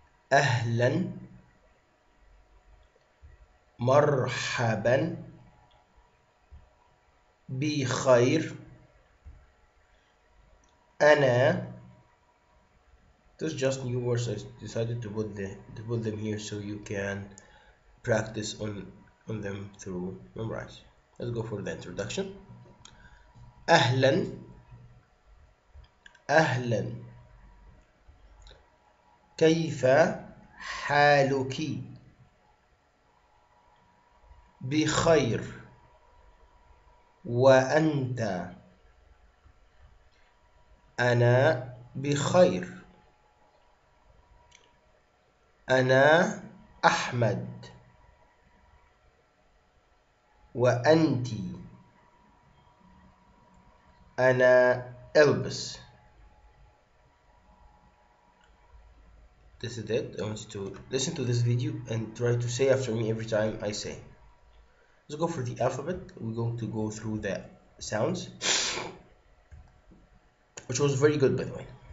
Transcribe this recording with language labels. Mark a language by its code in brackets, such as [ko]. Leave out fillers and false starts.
[ar] Ahlan, marhaban, bi khair, ana. [en] This is just new words. I decided to put them here so you can practice on them through memorize. Let's go for the introduction. [ar] Ahlan. أهلا كيف حالك بخير وأنت أنا بخير أنا أحمد وأنت أنا ألبس. [en] This is it. I want you to listen to this video and try to say after me every time I say. Let's go for the alphabet. We're going to go through the sounds. which was very good, by the way.